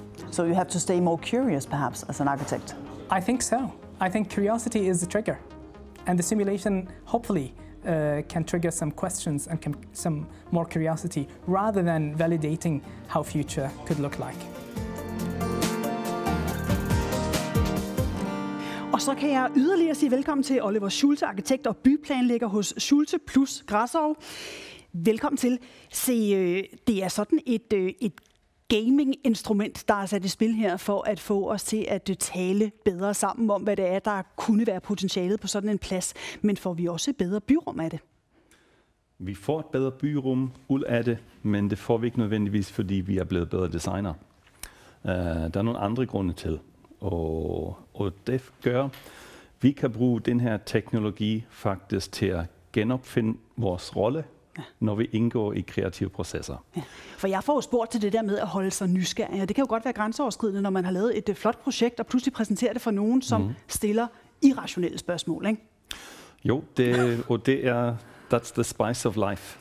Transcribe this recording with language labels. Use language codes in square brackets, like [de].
[en] So you have to stay more curious, perhaps, as an architect? I think so. I think curiosity is the trigger. And the simulation, hopefully, can trigger some questions and some more curiosity, rather than validating how future could look like. [da] Og så kan jeg yderligere sige velkommen til Oliver Schulte, arkitekt og byplanlægger hos Schulte plus Grassov. Velkommen til. Se, det er sådan et gaming-instrument, der er sat i spil her for at få os til at tale bedre sammen om, hvad det er, der kunne være potentialet på sådan en plads. Men får vi også et bedre byrum af det? Vi får et bedre byrum ud af det, men det får vi ikke nødvendigvis, fordi vi er blevet bedre designer. Der er nogle andre grunde til, og det gør, vi kan bruge den her teknologi faktisk til at genopfinde vores rolle, når vi indgår i kreative processer. Ja. For jeg får jo spurgt til det der med at holde sig nysgerrig. Det kan jo godt være grænseoverskridende, når man har lavet et flot projekt og pludselig præsenterer det for nogen, som stiller irrationelle spørgsmål, ikke? Jo, det er [en] that's the spice of life.